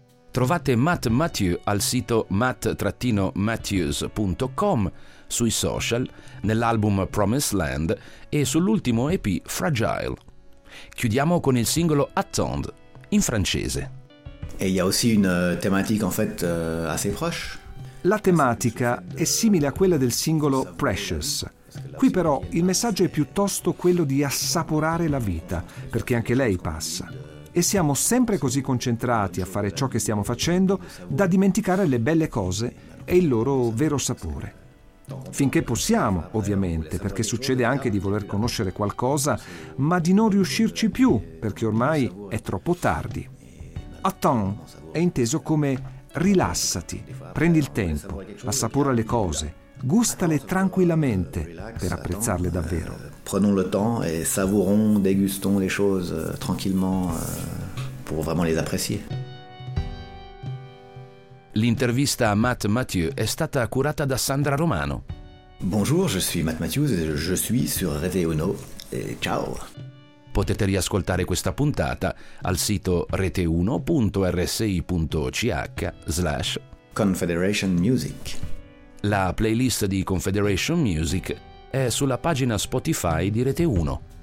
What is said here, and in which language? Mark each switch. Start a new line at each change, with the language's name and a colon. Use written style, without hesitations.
Italian: Trovate Matt Mathieu al sito matt-mathieus.com, sui social, nell'album Promised Land e sull'ultimo EP Fragile. Chiudiamo con il singolo Attend, in francese.
French: E il y a aussi une thématique en fait assez proche.
Italian: La tematica è simile a quella del singolo Precious. Qui però il messaggio è piuttosto quello di assaporare la vita, perché anche lei passa. E siamo sempre così concentrati a fare ciò che stiamo facendo da dimenticare le belle cose e il loro vero sapore. Finché possiamo, ovviamente, perché succede anche di voler conoscere qualcosa, ma di non riuscirci più, perché ormai è troppo tardi. Attends è inteso come rilassati, prendi il tempo, assapora le cose, gustale tranquillamente per apprezzarle davvero.
French: Prenons le temps et savourons, dégustons les choses tranquillement pour vraiment les apprécier.
Italian: L'intervista a Matt Mathieu è stata curata da Sandra Romano.
French: Bonjour, je suis Matt Mathieu et je suis sur Rete Uno.
Italian: Ciao. Potete riascoltare questa puntata al sito rete1.rsi.ch/confederationmusic. La playlist di Confederation Music è sulla pagina Spotify di Rete 1.